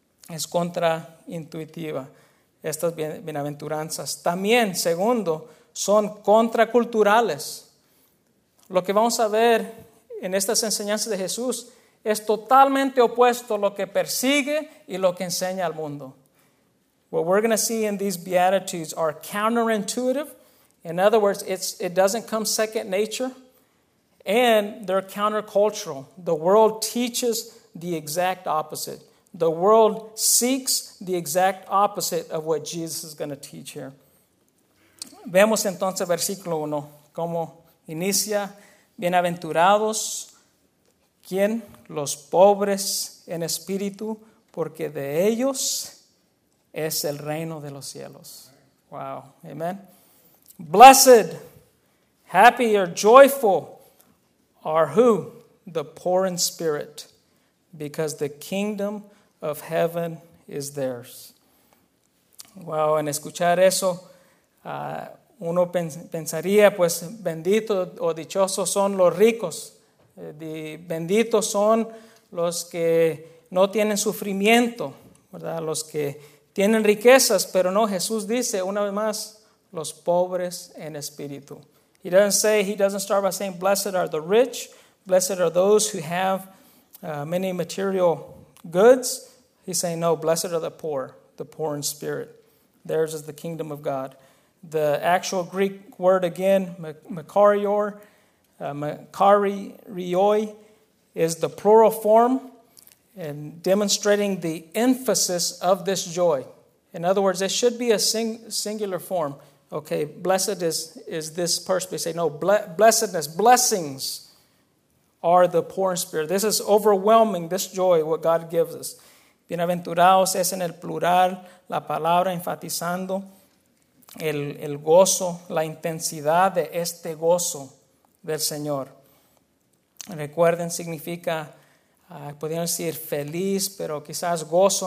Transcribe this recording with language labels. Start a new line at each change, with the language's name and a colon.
Spanish: Es contraintuitiva estas bienaventuranzas. También, segundo, son contraculturales. Lo que vamos a ver en estas enseñanzas de Jesús es totalmente opuesto a lo que persigue y lo que enseña al mundo.
English: What we're going to see in these Beatitudes are counterintuitive. In other words, it doesn't come second nature. And they're countercultural. The world teaches the exact opposite. The world seeks the exact opposite of what Jesus is going to teach here.
Spanish: Vemos entonces versículo 1, cómo inicia Bienaventurados, ¿quién? Los pobres en espíritu, porque de ellos es el reino de los cielos. Wow, amen.
English: Blessed, happy or joyful are who? The poor in spirit, because the kingdom of heaven is theirs.
Spanish: Wow, en escuchar eso, uno pensaría, pues, bendito o dichoso son los ricos. Benditos son los que no tienen sufrimiento, ¿verdad? Los que tienen riquezas, pero no, Jesús dice una vez más, los pobres en espíritu.
English: He doesn't start by saying, blessed are the rich, blessed are those who have many material goods. He's saying, no, blessed are the poor in spirit. Theirs is the kingdom of God. The actual Greek word again, makarios, makarioi, is the plural form and demonstrating the emphasis of this joy. In other words, it should be a singular form. Okay, blessed is this person. They say, no, blessedness, blessings are the poor in spirit. This is overwhelming, this joy, what God gives us.
Spanish: Bienaventurados es en el plural, la palabra enfatizando el gozo, la intensidad de este gozo del Señor. Recuerden, significa, podrían decir feliz, pero quizás gozo.